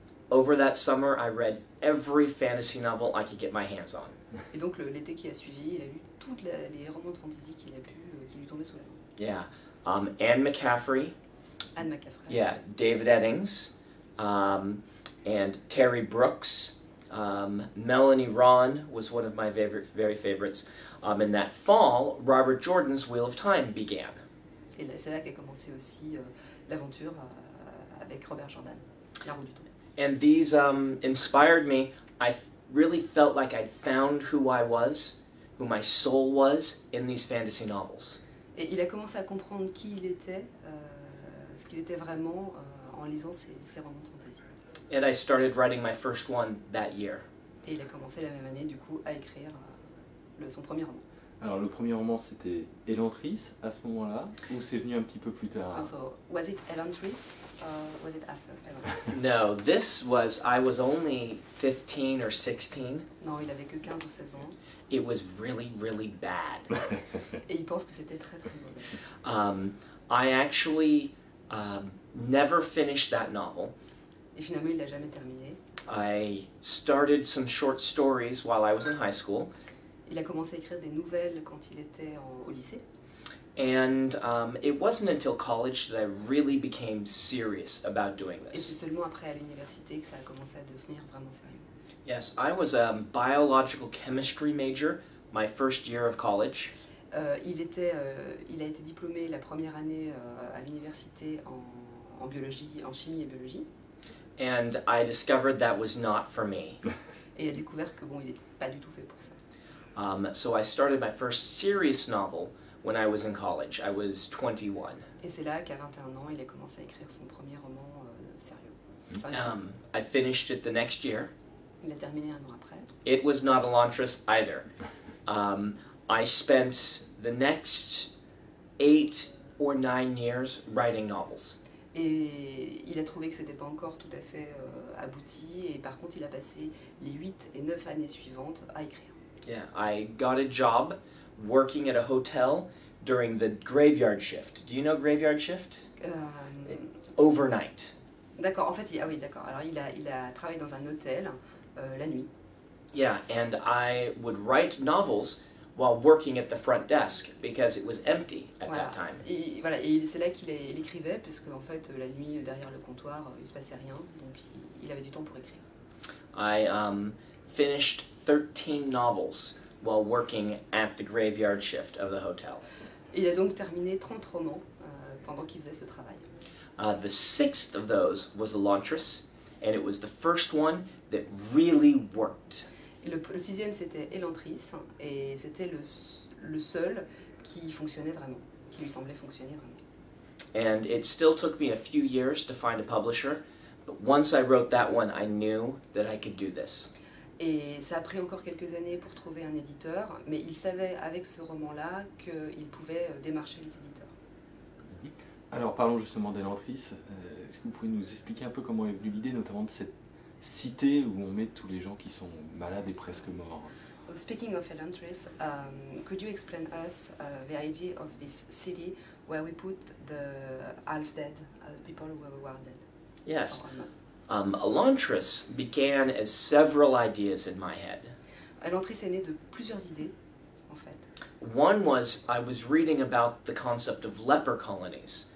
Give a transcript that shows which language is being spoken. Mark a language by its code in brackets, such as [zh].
[en] Over that summer, I read every fantasy novel I could get my hands on. [fr] Et donc l'été qui a suivi, il a lu toutes les romans de fantasy qu'il a pu qui lui tombaient sous la main. [en] Yeah, Anne McCaffrey. Anne McCaffrey. Yeah, David Eddings, and Terry Brooks. Melanie Ron was one of my very favorites. In that fall, Robert Jordan's Wheel of Time began. [fr] Et là, c'est là qu'a commencé aussi l'aventure avec Robert Jordan, La Roue du Temps. [en] And these inspired me. I really felt like I'd found who I was, who my soul was in these fantasy novels. [fr] Et il a commencé à comprendre qui il était, ce qu'il était vraiment en lisant ces romans de fantasy. [en] And I started writing my first one that year. [fr] Et il a commencé la même année, du coup, à écrire son premier roman. Alors, le premier roman, c'était Elantris, à ce moment-là, ou c'est venu un petit peu plus tard? [en] Also, was it Elantris, or was it after Elantris? No, this was, I was only 15 or 16. [fr] Non, il avait que 15 ou 16 ans. [en] It was really, really bad. [fr] Et il pense que c'était très, très mauvais. [en] I actually never finished that novel. [fr] Et finalement, il l'a jamais terminé. [en] I started some short stories while I was in high school. [fr] Il a commencé à écrire des nouvelles quand il était au lycée. [en] And it wasn't until college that I really became serious about doing this. [fr] Et c'est seulement après à l'université que ça a commencé à devenir vraiment sérieux. [en] Yes, I was a biological chemistry major my first year of college. [fr] Il a été diplômé la première année à l'université en biologie, en chimie et biologie. [en] And I discovered that was not for me. [fr] Et il a découvert que bon, il n'était pas du tout fait pour ça. [en] So I started my first serious novel when I was in college. I was 21. [fr] Et c'est là qu'à 21 ans, il a commencé à écrire son premier roman sérieux. [en] I finished it the next year. [fr] Il a terminé un an après. [en] It was not Elantris either. I spent the next 8 or 9 years writing novels. [fr] Et il a trouvé que c'était pas encore tout à fait abouti. Et par contre, il a passé les 8 et 9 années suivantes à écrire. [en] Yeah, I got a job working at a hotel during the graveyard shift. Do you know graveyard shift? Overnight. [fr] D'accord. En fait, ah oui, d'accord. Alors, il a travaillé dans un hôtel la nuit. [en] Yeah, and I would write novels while working at the front desk because it was empty at [fr] voilà. [en] That time. [fr] Et voilà, et c'est là qu'il écrivait puisque en fait la nuit derrière le comptoir il se passait rien, donc il avait du temps pour écrire. [en] I finished 13 novels while working at the graveyard shift of the hotel. [fr] Il a donc terminé 30 romans pendant qu'il faisait ce travail. [en] The sixth of those was Elantris, and it was the first one that really worked. [fr] Et le sixième, c'était Elantris, et c'était le seul qui fonctionnait vraiment, qui lui semblait fonctionner vraiment. [en] And it still took me a few years to find a publisher, but once I wrote that one, I knew that I could do this. [fr] Et ça a pris encore quelques années pour trouver un éditeur, mais il savait avec ce roman-là qu'il pouvait démarcher les éditeurs. Alors parlons justement d'Elantris. Est-ce que vous pouvez nous expliquer un peu comment est venue l'idée, notamment de cette cité où on met tous les gens qui sont malades et presque morts? [en] Speaking of Elantris, could you explain us the idea of this city where we put the half-dead people who were dead? Yes. Elantris began as several ideas in my head. [fr] Elantris est né de plusieurs idées, en fait. [en] One was, I was reading about the concept of leper colonies.